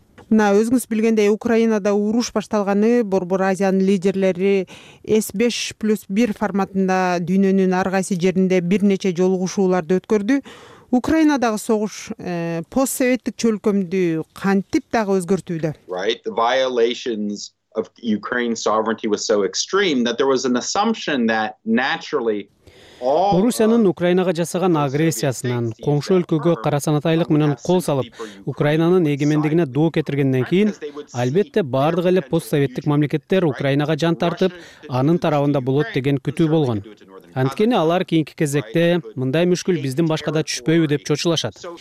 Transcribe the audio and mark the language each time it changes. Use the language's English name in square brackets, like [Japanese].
[Kyrgyz] Мына өзүңүз билгендей, Украинада уруш башталганы Борбор Азиянын лидерлери S5+1 форматында дүйнөнүн ар кайсы жеринде бир нече жолугушууларды өткөрдү. Украинадагы согуш постсоветтик чөлкөмдү кантип дагы өзгөртүүдө? [English] Right, the violations of Ukraine sovereignty was so extreme that there was an assumption that naturally [Kyrgyz] Орусиянын Украинага жасаган агрессиясынан коңшу өлкөгө карасанатайлык менен кол салып, Украинанын эгемендигине доо кетиргенден кийин, албетте баардык эле постсоветтик мамлекеттер Украинага жан тартып, анын тарабында болот деген күтүү болгон. Анткени алар кийинки кезекте мындай мүшкүл биздин башка да түшпөйбү деп чочулашат.